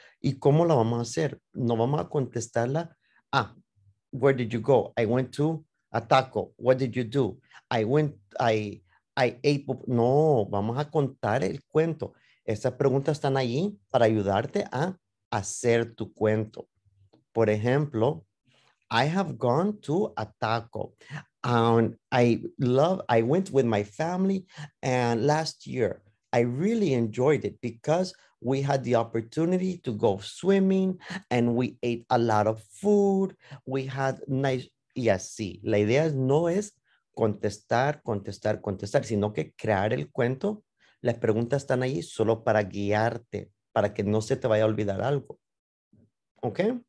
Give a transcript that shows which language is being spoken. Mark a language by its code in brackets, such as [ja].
[es] ¿Y cómo la vamos a hacer? No vamos a contestarla. [en] Ah, where did you go? I went to Ataco. What did you do? I ate. [es] No, vamos a contar el cuento. Esas preguntas están ahí para ayudarte a hacer tu cuento. Por ejemplo, [en] I have gone to Ataco. I went with my family and last year. I really enjoyed it because we had the opportunity to go swimming and we ate a lot of food. We had nice, [es] y así. La idea no es contestar, sino que crear el cuento. Las preguntas están ahí solo para guiarte, para que no se te vaya a olvidar algo. ¿Ok?